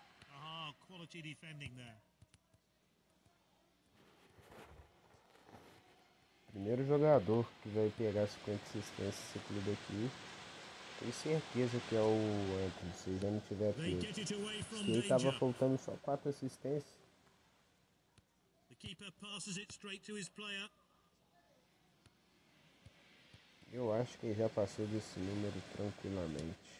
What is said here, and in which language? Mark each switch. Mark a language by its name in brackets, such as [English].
[English] Ah, quality defending there. [Portuguese] Primeiro jogador que vai pegar 50 assistências nesse clube aqui. Tenho certeza que é o Anthony, se já não tiver aqui. Ele tava faltando só 4 assistências. [English] The keeper passes it straight to his player. [Portuguese] Eu acho que ele já passou desse número tranquilamente.